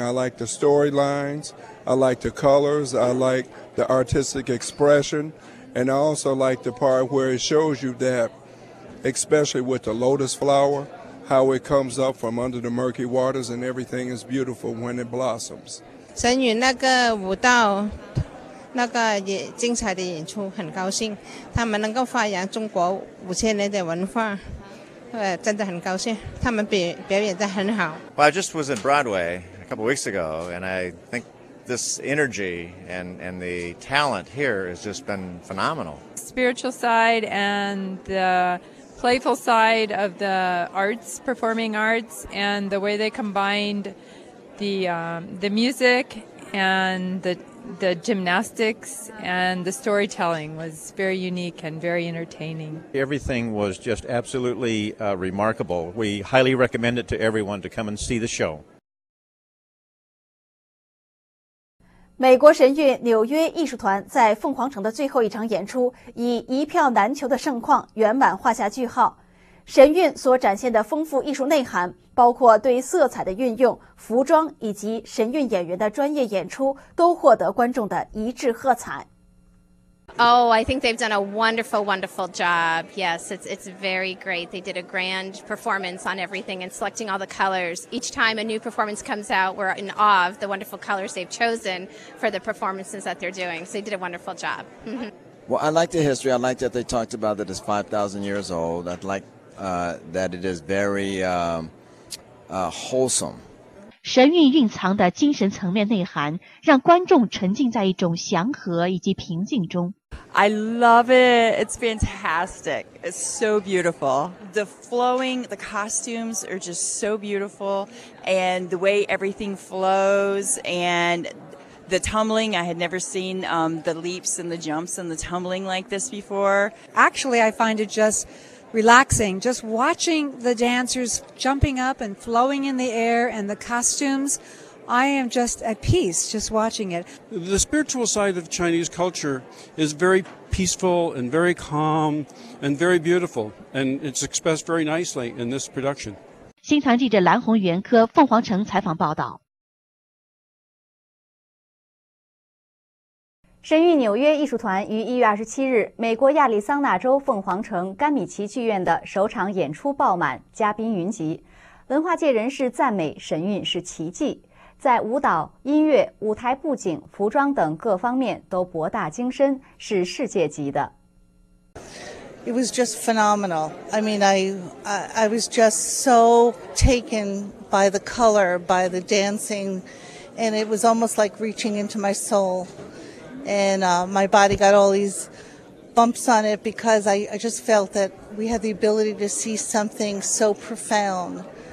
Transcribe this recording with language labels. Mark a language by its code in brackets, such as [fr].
[en] I like the storylines, I like the colors, I like the artistic expression, and I also like the part where it shows you that, especially with the lotus flower, how it comes up from under the murky waters and everything is beautiful when it blossoms. [zh] 神韵那个舞蹈那个也精彩的演出，很高兴他们能够发扬中国5000年的文化。真的很高兴，他们表演得很好。 [en] Well, I just was in Broadway a couple weeks ago, and I think this energy and the talent here has just been phenomenal. Spiritual side and the playful side of the arts, performing arts, and the way they combined the music and the gymnastics and the storytelling was very unique and very entertaining. Everything was just absolutely remarkable. We highly recommend it to everyone to come and see the show. [zh] 美国神韵纽约艺术团在凤凰城的最后一场演出以一票难求的盛况圆满画下句号。神韵所展现的丰富艺术内涵，包括对色彩的运用、服装以及神韵演员的专业演出，都获得观众的一致喝彩。 [en] Oh, I think they've done a wonderful, wonderful job. Yes, it's very great. They did a grand performance on everything and selecting all the colors. Each time a new performance comes out, we're in awe of the wonderful colors they've chosen for the performances that they're doing. So they did a wonderful job. Well, I like the history. I like that they talked about that it's 5,000 years old. I'd like that it is very wholesome. [zh] 神韵蕴藏的精神层面内涵让观众沉浸在一种祥和以及平静中。 [en] I love it. It's fantastic. It's so beautiful. The flowing, the costumes are just so beautiful. And the way everything flows and the tumbling, I had never seen the leaps and the jumps and the tumbling like this before. Actually, I find it just relaxing. Just watching the dancers jumping up and flowing in the air and the costumes, I am just at peace just watching it. The spiritual side of Chinese culture is very peaceful and very calm and very beautiful, and it's expressed very nicely in this production. [zh] 新唐记者蓝红元科凤凰城采访报道。神韵纽约艺术团于1月27日美国亚利桑那州凤凰城甘米奇剧院的首场演出爆满，嘉宾云集，文化界人士赞美神韵是奇迹，在舞蹈、音乐、舞台布景、服装等各方面都博大精深，是世界级的。 [en] It was just phenomenal. I mean, I was just so taken by the color, by the dancing, and it was almost like reaching into my soul. And my body got all these bumps on it because I just felt that we had the ability to see something so profound.